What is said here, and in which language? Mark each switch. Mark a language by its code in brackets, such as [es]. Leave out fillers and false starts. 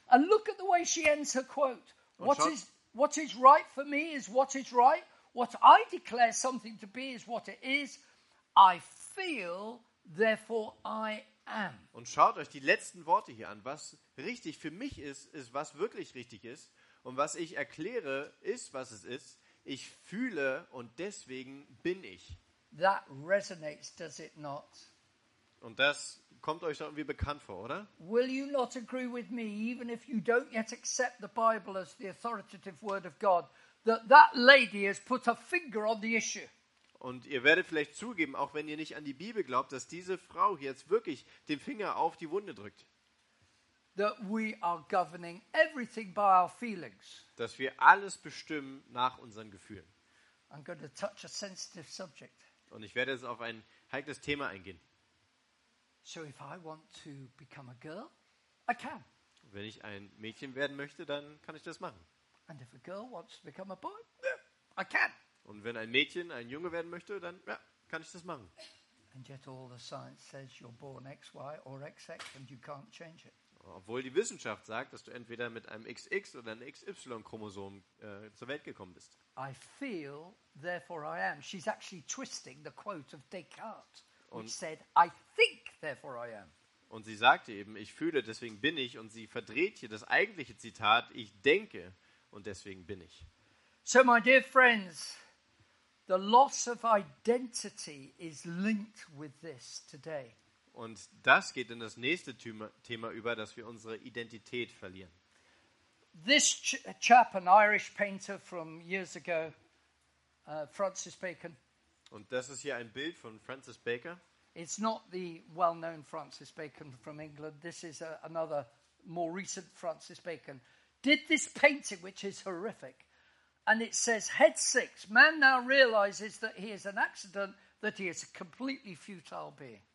[en] And look at the way she ends her quote. What is right for me is what is right. What I declare something to be is what it is. I feel, therefore I am. [de] Und schaut euch die letzten Worte hier an. Was richtig für mich ist, ist was wirklich richtig ist. Und was ich erkläre, ist was es ist. Ich fühle und deswegen bin ich. [en] That resonates, does it not? [de] Und das kommt euch doch irgendwie bekannt vor, oder? [en] Will you not agree with me, even if you don't yet accept the Bible as the authoritative word of God, that lady has put a finger on the issue. [de] Und ihr werdet vielleicht zugeben, auch wenn ihr nicht an die Bibel glaubt, dass diese Frau jetzt wirklich den Finger auf die Wunde drückt. [en] That we are governing everything by our feelings. [de] Dass wir alles bestimmen nach unseren Gefühlen. [en] I'm going to touch a sensitive subject. [de] Und ich werde jetzt auf ein heikles Thema eingehen. [en] So if I want to become a girl, I can. [de] Wenn ich ein Mädchen werden möchte, dann kann ich das machen. [en] And if a girl wants to become a boy, yeah, I can. [de] Und wenn ein Mädchen ein Junge werden möchte, dann ja, kann ich das machen. [en] And yet all the science says you're born XY or XX and you can't change it. [de] Obwohl die Wissenschaft sagt, dass du entweder mit einem XX oder einem XY-Chromosom zur Welt gekommen bist. [en] I feel, therefore I am. She's actually twisting the quote of Descartes, which said, I think, therefore I am. [de] Und sie sagte eben, ich fühle, deswegen bin ich. Und sie verdreht hier das eigentliche Zitat, ich denke. Und deswegen bin ich. [en] So, my dear friends, the loss of identity is linked with this today. [de] Und das geht in das nächste Thema über, dass wir unsere Identität verlieren. [en] This chap, an Irish painter from years ago, Francis Bacon. [de] Und das ist hier ein Bild von Francis Bacon. [en] It's not the well-known Francis Bacon from England. This is another more recent Francis Bacon. Did this painting, which is horrific, and it says, head six, man now realizes that he is an accident, that he is a completely futile being.